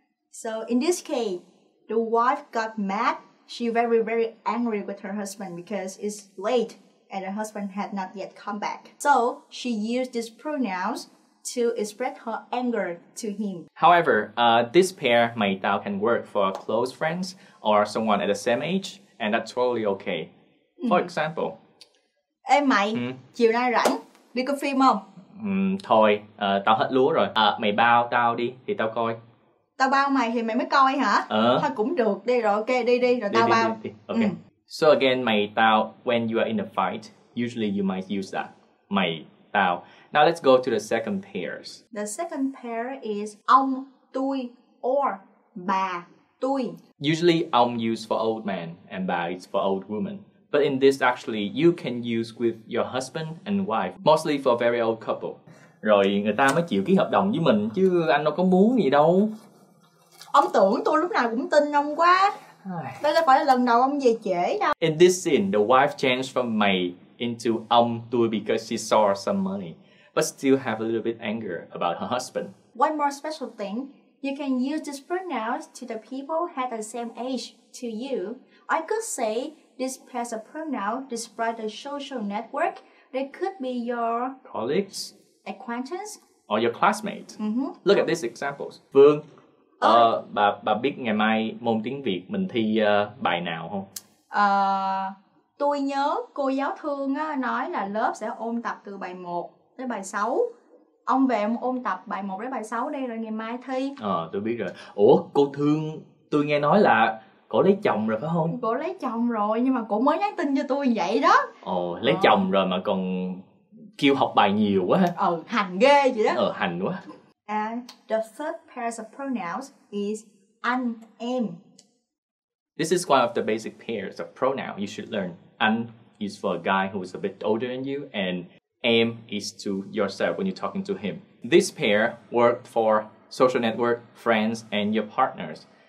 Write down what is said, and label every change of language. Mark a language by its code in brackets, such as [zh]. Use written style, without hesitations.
[en] So in this case, the wife got mad. She very, very angry with her husband because it's late and her husband had not yet come back. So she used these pronouns to express her anger to him. However, this pair, mày tao, can work for close friends or someone at the same age, and that's totally okay. For example, [vi] ê mày, chiều nay rảnh, đi coi phim không? Thôi, tao hết lúa rồi. Mày bao tao đi, thì tao coi. Tao bao mày thì mày mới coi hả? Thôi cũng được, đi rồi, ok, đi, rồi tao bao. [en] Okay. So again, mày, tao, when you are in a fight, usually you might use that. Mày, tao. Now let's go to the second pairs. The second pair is ông, tui, or bà, tui. Usually, ông used for old man, and bà is for old woman. But in this, actually, you can use with your husband and wife, mostly for a very old couple. [vi] Rồi người ta mới chịu ký hợp đồng với mình, chứ anh đâu có muốn gì đâu. Ông tưởng tôi lúc nào cũng tin ông quá. Đây là phải là lần đầu ông về trễ đâu. [en] In this scene, the wife changed from mày into ông tôi because she saw some money, but still have a little bit anger about her husband. One more special thing, you can use this pronoun to the people had the same age to you. I could say this pairs of pronoun describe the social network. They could be your colleagues, acquaintance, or your classmate. Mm-hmm. Look at these examples. Phương. [vi] Bà biết ngày mai môn tiếng Việt mình thi bài nào không? Tôi nhớ cô giáo Thương á, nói là lớp sẽ ôn tập từ bài 1 tới bài 6. Ông về ông ôn tập bài 1 đến bài 6 đi rồi ngày mai thi. Tôi biết rồi. Ủa, cô Thương, tôi nghe nói là cô lấy chồng rồi phải không? Cô lấy chồng rồi nhưng mà cô mới nhắn tin cho tôi vậy đó. Lấy chồng rồi mà còn kêu học bài nhiều quá. Hành ghê vậy đó. Hành quá. [en] And the third pair of pronouns is anh, em. This is one of the basic pairs of pronoun you should learn. Anh is for a guy who is a bit older than you, and em is to yourself when you're talking to him. This pair worked for social network, friends, and your partners.